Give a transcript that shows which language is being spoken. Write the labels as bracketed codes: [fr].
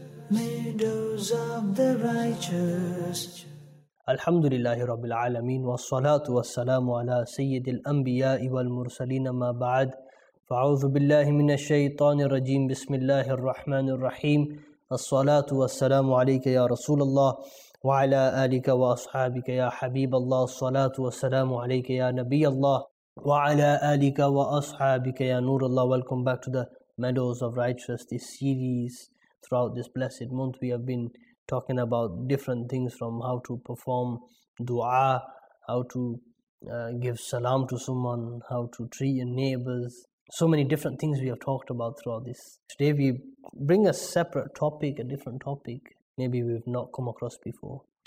[en] meadows of the righteous. [ar] الحمد لله رب العالمين والصلاة والسلام على سيد الأنبياء والمرسلين ما بعد فأعوذ بالله من الشيطان الرجيم بسم الله الرحمن الرحيم الصلاة والسلام عليك يا رسول الله وعلى آلك وأصحابك يا حبيب الله الصلاة والسلام عليك يا نبي الله وعلى آلك وأصحابك يا نور الله. [en] Welcome back to the Meadows of Righteousness, this series. Throughout this blessed month we have been talking about different things, from how to perform dua, how to give salam to someone, how to treat your neighbors. So many different things we have talked about throughout this. Today we bring a separate topic, a different topic, maybe we've not come across before.